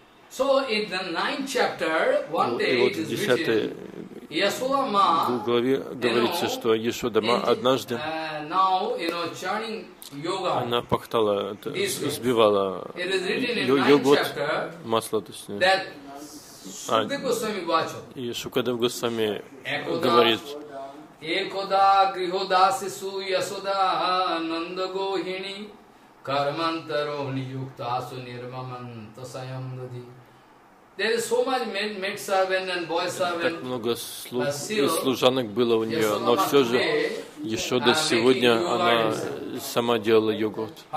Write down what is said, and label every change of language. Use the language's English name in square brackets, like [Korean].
[English] So in the ninth chapter, one day it is written. Yashoda Ma. [Russian] В главе говорится, что Яшода Ма однажды. [English] Now churning yoga. [Russian] Она пахтала, сбивала йогурт, масло, точнее. [English] That Shukadev Goswami watched. [Russian] И Шукадев Госвами говорит. [Sanskrit] Ekoda grihoda sisu Yashoda Nanda Gohini. Karmantaro niyuktasu nirmaman tasayam dadi. [English] There is so much men, maid servant and boy servant. [Russian] Так много служанок было у нее, но все же еще до сегодня она сама делала йогурт.